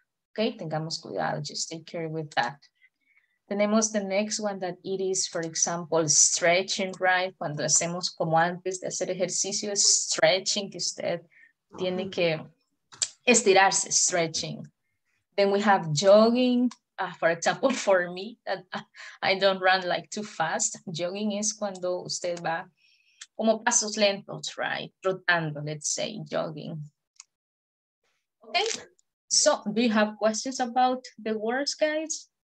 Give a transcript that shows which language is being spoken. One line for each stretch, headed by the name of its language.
English: Okay,
Spanish: tengamos cuidado,
English: just take care with that. Tenemos the next one that it is, for example, stretching, right?
Spanish: Cuando hacemos como antes de hacer ejercicio, stretching, que usted tiene que estirarse, stretching.
English: Then we have jogging, For example, for me, I don't run like too fast. Jogging is
Spanish: cuando usted va como pasos lentos, right?
English: Trotando, let's say, jogging. Okay, so do you have questions about the words, guys?